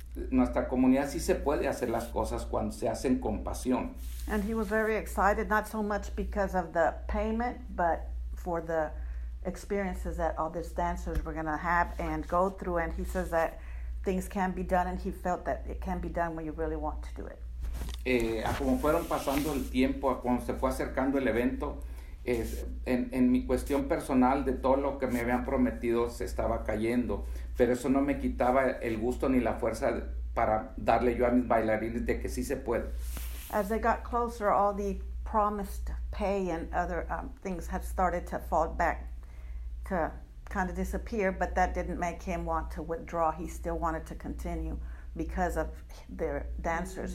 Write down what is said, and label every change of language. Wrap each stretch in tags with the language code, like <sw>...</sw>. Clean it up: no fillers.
<es>Nuestra comunidad sí se puede hacer las cosas cuando se hacen con pasión.</es> <en>And he was very excited, not so much because of the payment, but for the experiences that all these dancers were going to have and go through. And he says that things can be done, and he felt that it can be done when you really want to do it.</en> <es>A como fueron pasando el tiempo, a cuando se fue acercando el evento, en mi cuestión personal de todo lo que me habían prometido se estaba cayendo, pero eso no me quitaba el gusto ni la fuerza para darle yo a mis bailarines de que sí se puede.</es> <en>As they got closer, all the promised pay and other things had started to fall back, to kind of disappear, but that didn't make him want to withdraw. He still wanted to continue because of their dancers.</en>